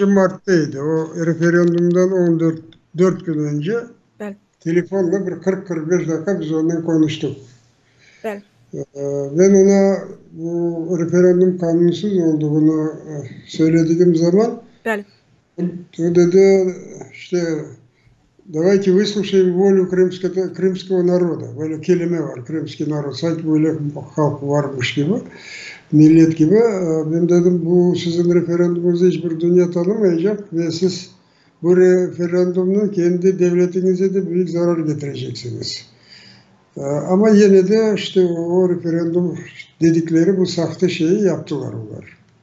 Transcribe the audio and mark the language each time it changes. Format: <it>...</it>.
<tr>Mart'taydı. O referandumdan 14 gün önce telefonla bir 40-45 dakika biz ondan konuştuk. Bel. Ben ona bu referandum kanunsuz olduğunu söylediğim zaman Bel. o dedi işte</tr> <ru>давайте выслушаем волю крымского народа.</ru> <tr>Böyle kelime var.</tr> <ru>Крымский народ.</ru> <tr>Sanki böyle halk varmış gibi. Millet gibi. Ben dedim bu sizin referandumunuzu hiçbir dünya tanımayacak ve siz bu referandumun kendi devletinize de büyük zarar getireceksiniz. Ama yine de işte o referandum dedikleri bu sahte şeyi yaptılar onlar.</tr>